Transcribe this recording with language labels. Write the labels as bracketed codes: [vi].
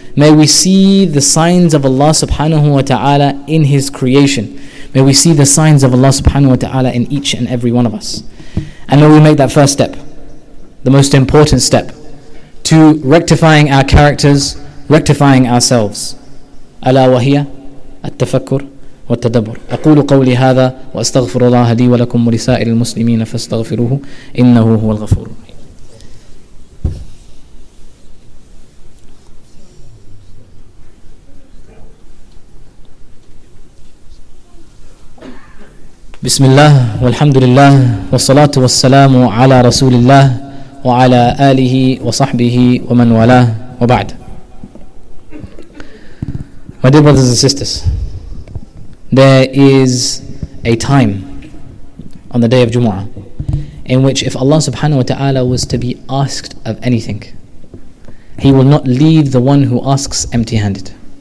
[en] May we see the signs of Allah subhanahu wa ta'ala in His creation. May we see the signs of Allah subhanahu wa ta'ala in each and every one of us. And may we make that first step, the most important step, to rectifying our characters, rectifying ourselves. [ar] ألا وهي التفكر والتدبر. أقول قولي هذا وأستغفر الله لي ولكم ولسائر المسلمين فاستغفروه إنه هو الغفور. بسم الله والحمد لله والصلاة والسلام على رسول الله وعلى آله وصحبه ومن والاه وبعد. [en] My dear brothers and sisters, there is a time on the day of Jumu'ah in which if Allah subhanahu wa ta'ala was to be asked of anything, He will not leave the one who asks empty-handed.